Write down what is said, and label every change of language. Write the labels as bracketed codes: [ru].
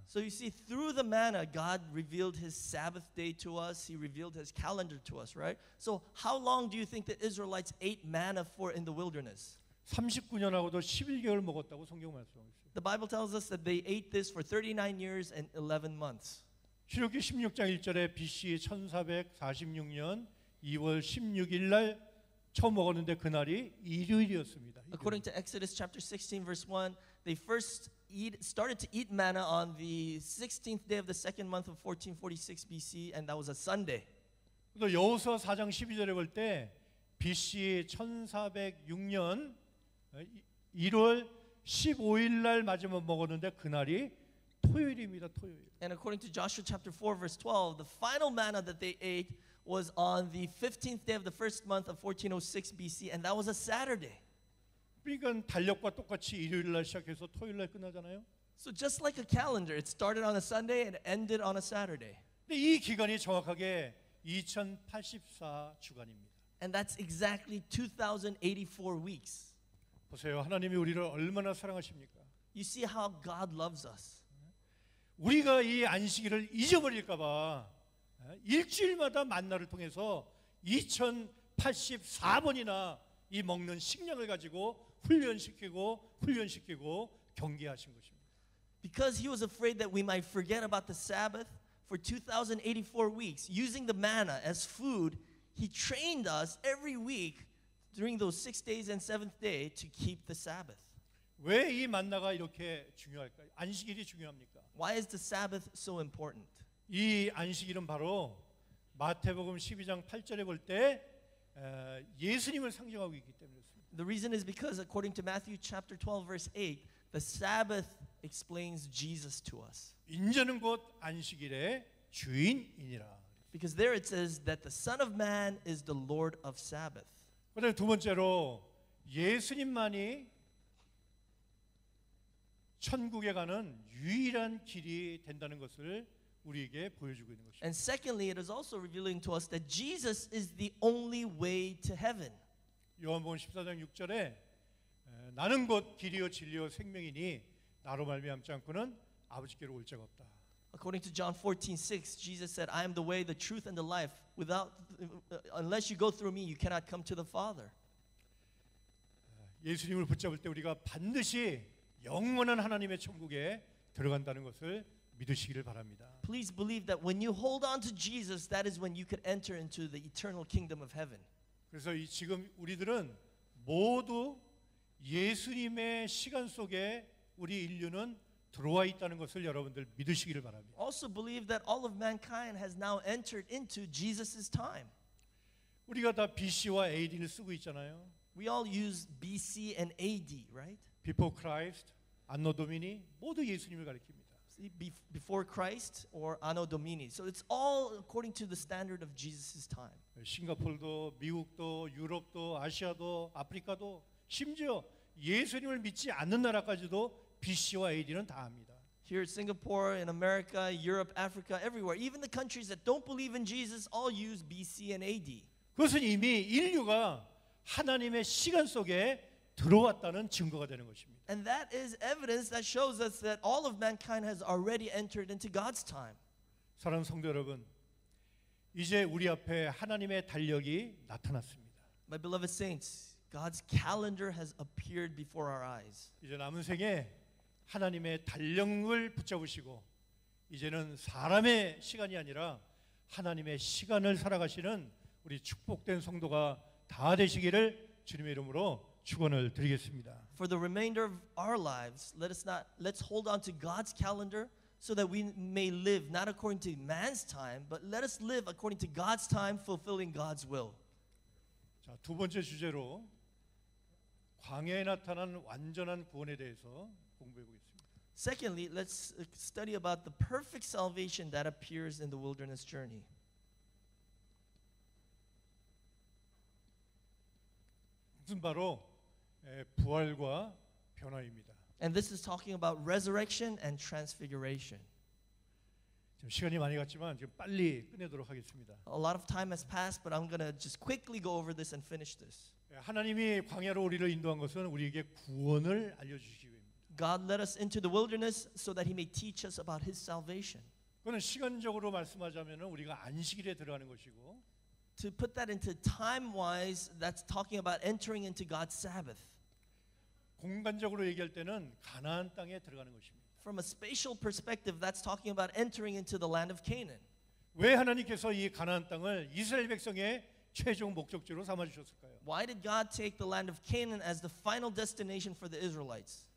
[en] So you see, through the manna, God revealed His Sabbath day to us. He revealed His calendar to us, right? So how long do you think the Israelites ate manna for in the wilderness? [ko] 39년하고도 11개월 먹었다고 성경 말씀하고 있어요. [en] The Bible tells us that they ate this for 39 years and 11 months. [ko] 출애굽기 16장 1절에 BC 1446년 2월 16일 날 처음 먹었는데 그날이 일요일이었습니다. [en] According to Exodus chapter 16 verse 1, they first started to eat manna on the 16th day of the second month of 1446 BC and that was a Sunday. [ko] 또 여호수아 4장 12절에 볼 때 BC 1406년 1월 15일 날 마지막 먹었는데 그날이 토요일입니다. 토요일. [en] And according to Joshua chapter 4 verse 12, the final manna that they ate was on the 15th day of the first month of 1406 BC, and that was a Saturday. [ko] 이건 달력과 똑같이 일요일 날 시작해서 토요일 날 끝나잖아요. [en] So just like a calendar, it started on a Sunday and ended on a Saturday. [ko] 근데 이 기간이 정확하게 2084 주간입니다. [en] And that's exactly 2,084 weeks. [ko] 보세요, 하나님이 우리를 얼마나 사랑하십니까? [en] You see how God loves us. [ko] 우리가 이 안식일을 잊어버릴까봐. 일주일마다 만나를 통해서 2,084번이나 이 먹는 식량을 가지고 훈련시키고 경계하신 것입니다. [en] Because he was afraid that we might forget about the Sabbath for 2,084 weeks, using the manna as food, he trained us every week during those 6 days and 7th day to keep the Sabbath. [ko] 왜 이 만나가 이렇게 중요할까요? 안식일이 중요합니까? [en] Why is the Sabbath so important? [ko] 이 안식일은 바로 마태복음 12장 8절에 볼 때 예수님을 상징하고 있기 때문입니다. [en] The reason is because according to Matthew chapter 12 verse 8, the Sabbath explains Jesus to us. [ko] 인자는 곧 안식일의 주인이니라. [en] Because there it says that the Son of Man is the Lord of Sabbath. [ko] 그리고 두 번째로 예수님만이 천국에 가는 유일한 길이 된다는 것을 우리에게 보여주고 있는 것이. [en] And secondly, it is also revealing to us that Jesus is the only way to heaven. [ko] 요한복음 14장 6절에 나는 곧 길이요 진리요 생명이니 나로 말미암지 않고는 아버지께로 올 자가 없다. [en] According to John 14:6, Jesus said, "I am the way, the truth, and the life. Without unless you go through me, you cannot come to the Father." [ko] 예수님을 붙잡을 때 우리가 반드시 영원한 하나님의 천국에 들어간다는 것을 믿으시기를 바랍니다. [en] Please believe that when you hold on to Jesus, that is when you could enter into the eternal kingdom of heaven. [ko] 그래서 지금 우리들은 모두 예수님의 시간 속에 우리 인류는 들어와 있다는 것을 여러분들 믿으시기를 바랍니다. [en] Also believe that all of mankind has now entered into Jesus's time. [ko] 우리가 다 BC와 AD를 쓰고 있잖아요. [en] We all use BC and AD, right? Before Christ, [ko] Anno Domini 모두 예수님을 가리킵니다. [en] See, before Christ or Anno Domini. So it's all according to the standard of Jesus' time. [ko] 싱가포르도 미국도 유럽도 아시아도 아프리카도 심지어 예수님을 믿지 않는 나라까지도 BC와 AD는 다 합니다. [en] Here in Singapore, in America, Europe, Africa, everywhere. Even the countries that don't believe in Jesus all use BC and AD. [ko] 그것은 이미 인류가 하나님의 시간 속에 들어왔다는 증거가 되는 것입니다. [en] And that is evidence that shows us that all of mankind has already entered into God's time. [ko] 사랑하는 성도 여러분, 이제 우리 앞에 하나님의 달력이 나타났습니다. [en] My beloved saints, God's calendar has appeared before our eyes. [ko] 이제 남은 생에 하나님의 달력을 붙잡으시고 이제는 사람의 시간이 아니라 하나님의 시간을 살아가시는 우리 축복된 성도가 다 되시기를 주님의 이름으로 축원을 드리겠습니다. [en] For the remainder of our lives, let's hold on to God's calendar so that we may live not according to man's time, but let us live according to God's time, fulfilling God's will. [ko] 자, 두 번째 주제로 광야에 나타난 완전한 구원에 대해서 [en] Secondly, let's study about the perfect salvation that appears in the wilderness journey. [ko] 무슨 바로 부활과 변화입니다. [en] And this is talking about resurrection and transfiguration. [ko] 지금 시간이 많이 갔지만 지금 빨리 끝내도록 하겠습니다. [en] A lot of time has passed, but I'm gonna just quickly go over this and finish this. [ko] 하나님이 광야로 우리를 인도한 것은 우리에게 구원을 알려주시기 위해. [en] God led us into the wilderness so that he may teach us about his salvation. [ko] 그건 시간적으로 말씀하자면은 우리가 안식일에 들어가는 것이고 [en] To put that into time-wise, that's talking about entering into God's Sabbath. [ko] 공간적으로 얘기할 때는 가나안 땅에 들어가는 것입니다. [en] From a spatial perspective, that's talking about entering into the land of Canaan. [ko] 왜 하나님께서 이 가나안 땅을 이스라엘 백성의 최종 목적지로 삼아 주셨을까요? [en] Why did God take the land of Canaan as the final destination for the Israelites?